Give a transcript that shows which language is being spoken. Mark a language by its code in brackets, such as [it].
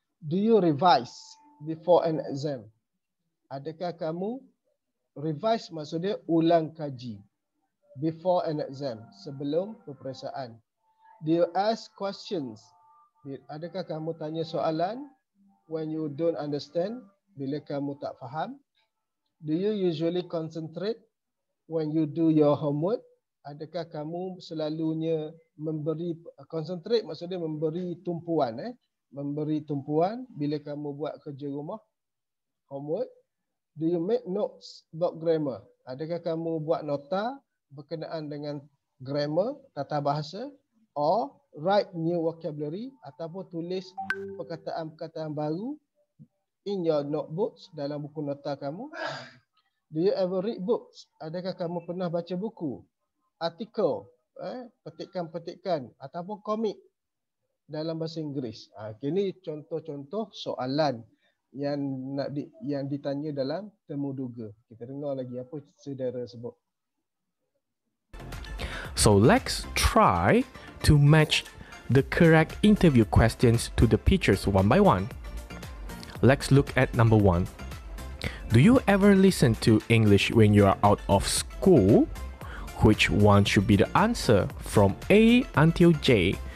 [en] Do you revise before an exam? [ms] Adakah kamu revise maksudnya ulang kaji [en] before an exam, [ms] sebelum peperiksaan? [en] Do you ask questions? [ms] Adakah kamu tanya soalan? [en] When you don't understand, [ms] bila kamu tak faham. [en] Do you usually concentrate when you do your homework? [ms] Adakah kamu selalunya memberi tumpuan bila kamu buat kerja rumah, homework? [en] Do you make notes about grammar? [ms] Adakah kamu buat nota berkenaan dengan grammar, tata bahasa, [en] or write new vocabulary [ms] ataupun tulis perkataan-perkataan baru [en] in your notebooks, [ms] dalam buku nota kamu? [en] Do you ever read books? [ms] Adakah kamu pernah baca buku, artikel, petikan-petikan ataupun komik dalam bahasa Inggeris? Ini contoh-contoh soalan yang ditanya dalam temuduga. Kita dengar lagi apa saudara sebut. [en] So let's try to match the correct interview questions to the pictures one by one. Let's look at number one. Do you ever listen to English when you are out of school? Which one should be the answer from A until J?